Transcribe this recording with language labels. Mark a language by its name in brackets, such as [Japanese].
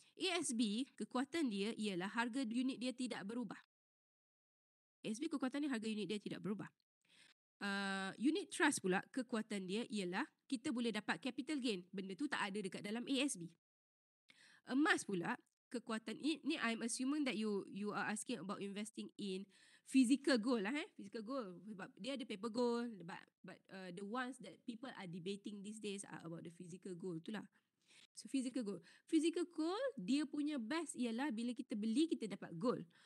[Malay] ASB, kekuatan dia ialah harga unit dia tidak berubah. ASB kekuatan ni harga unit dia tidak berubah. Unit trust pula kekuatan dia ialah kita boleh dapat capital gain. Benda tu tak ada dekat dalam ASB. Emas pula kekuatan ni, [English] I'm assuming that you are asking about investing in physical gold lah, eh? Physical gold. But [Malay] dia ada [English] paper gold, but the ones that people are debating these days are about the physical gold tu lah. So physical gold. [Malay] Physical gold dia punya best ialah bila kita beli kita dapat gold.